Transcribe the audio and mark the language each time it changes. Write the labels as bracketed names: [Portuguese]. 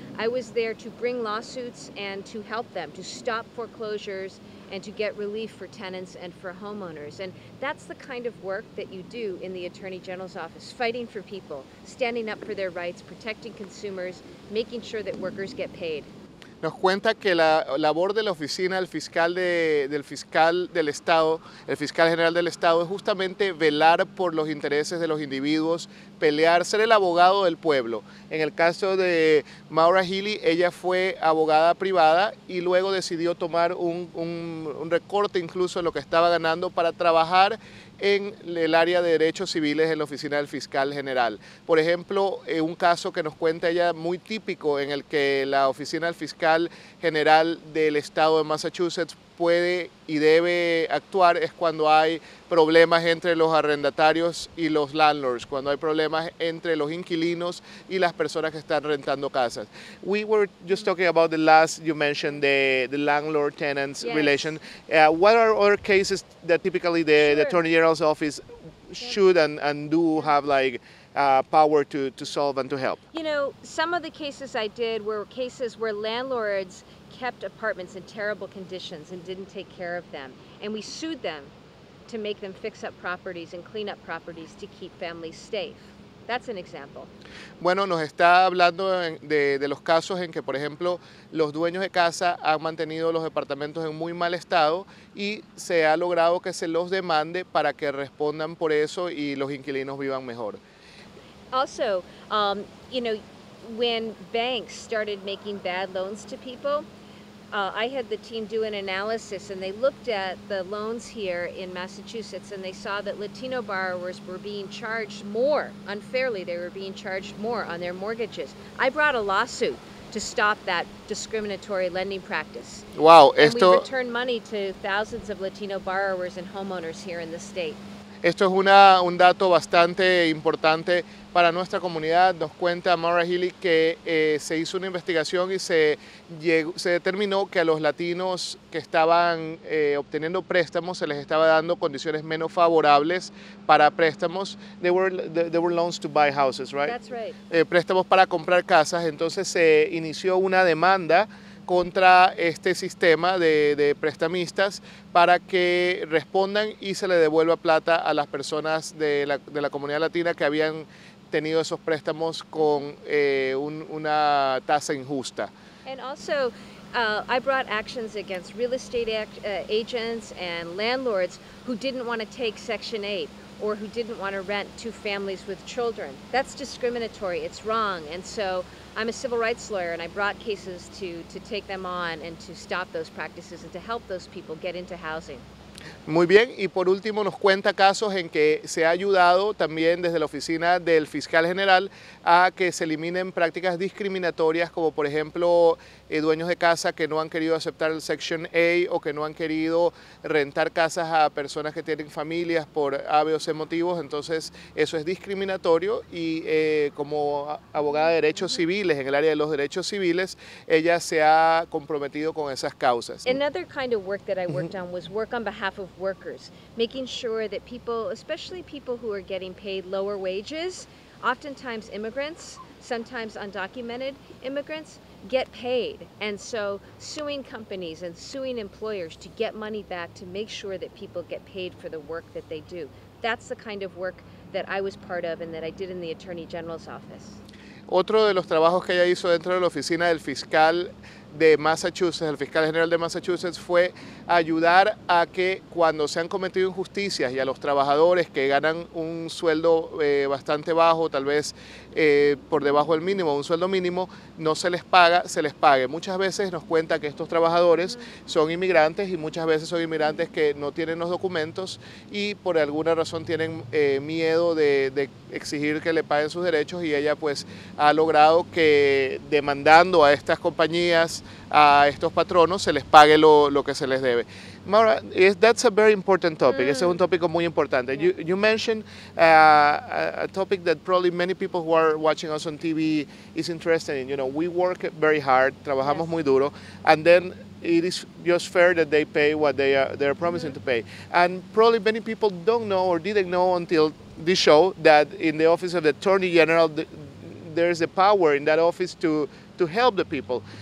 [English] I was there to bring lawsuits and to help them, to stop foreclosures and to get relief for tenants and for homeowners. And that's the kind of work that you do in the Attorney General's office, fighting for people, standing up for their rights, protecting consumers, making sure that workers get paid. [Spanish] Nos cuenta que la labor de la oficina del fiscal del Estado, el fiscal general del Estado, es justamente velar por los intereses de los individuos, pelear, ser el abogado del pueblo. En el caso de MauraHealey, ella fue abogada privada y luego decidió tomar un recorte incluso en lo que estaba ganando para trabajar en el área de derechos civiles en la oficina del fiscal general. Por ejemplo, un caso que nos cuenta ella muy típico en el que la oficina del fiscal general del estado de Massachusetts puede y debe actuar es cuando hay problemas entre los arrendatarios y los landlords, cuando hay problemas entre los inquilinos y las personas que están rentando casas. [English] We were just talking about the last you mentioned, the landlord-tenants relation. What are other cases that typically the Attorney General's office should and do have like power to solve and to help? You know, some of the cases I did were cases where landlords kept apartments in terrible conditions and didn't take care of them. And we sued them to make them fix up properties and clean up properties to keep families safe. That's an example. [Spanish] Bueno, nos está hablando de los casos en que, por ejemplo, los dueños de casa han mantenido los departamentos en muy mal estado y se ha logrado que se los demande para que respondan por eso y los inquilinos vivan mejor. [English] Also, you know, when banks started making bad loans to people, I had the team do an analysis, and they looked at the loans here in Massachusetts, and they saw that Latino borrowers were being charged more unfairly. They were being charged more on their mortgages. I brought a lawsuit to stop that discriminatory lending practice. Wow. [Spanish] Esto... [English] And we returned money to thousands of Latino borrowers and homeowners here in the state. [Spanish] Esto es una, un dato bastante importante para nuestra comunidad. Nos cuenta MauraHealey que se hizo una investigación y se determinó que a los latinos que estaban obteniendo préstamos se les estaba dando condiciones menos favorables para préstamos. [English] They were loans to buy houses, right? That's right. [Spanish] Préstamos para comprar casas. Entonces se inició una demanda contra este sistema de prestamistas para que respondan y se le devuelva plata a las personas de la comunidad latina que habían tenido esos préstamos con una tasa injusta. [English] And also, I brought actions against real estate agents and landlords who didn't want to take Section 8 or who didn't want to rent to families with children. That's discriminatory. It's wrong. And so I'm a civil rights lawyer, and I brought cases to take them on and to stop those practices and to help those people get into housing. [Spanish] Muy bien, y por último nos cuenta casos en que se ha ayudado también desde la oficina del fiscal general a que se eliminen prácticas discriminatorias como por ejemplo dueños de casa que no han querido aceptar el Section A o que no han querido rentar casas a personas que tienen familias por A, B o C motivos. Entonces eso es discriminatorio y como abogada de derechos civiles en el área de los derechos civiles, ella se ha comprometido con esas causas. [English] Another kind of work that I worked on was work on behalf of workers, making sure that people, especially people who are getting paid lower wages, oftentimes immigrants, sometimes undocumented immigrants, get paid. And so suing companies and suing employers to get money back to make sure that people get paid for the work that they do. That's the kind of work that I was part of and that I did in the Attorney General's office. [Spanish] Otro de los trabajos que ella hizo dentro de la oficina del fiscal de Massachusetts, el fiscal general de Massachusetts, fue ayudar a que cuando se han cometido injusticias y a los trabajadores que ganan un sueldo bastante bajo, tal vez por debajo del mínimo, un sueldo mínimo, no se les paga, se les pague. Muchas veces nos cuenta que estos trabajadores son inmigrantes y muchas veces son inmigrantes que no tienen los documentos y por alguna razón tienen miedo de exigir que le paguen sus derechos y ella pues ha logrado que demandando a estas compañías, a estos patronos, se les pague lo que se les debe. [English] Maura, that's a very important topic. Mm. [Spanish] Ese es un tópico muy importante. [English] Yeah. You mentioned a topic that probably many people who are watching us on TV is interested in. You know, we work very hard, [Spanish] trabajamos [English] yes. [Spanish] muy duro, [English] and then it is just fair that they pay what they're promising mm-hmm. to pay. And probably many people don't know or didn't know until this show that in the office of the Attorney General, there's the power in that office to help the people.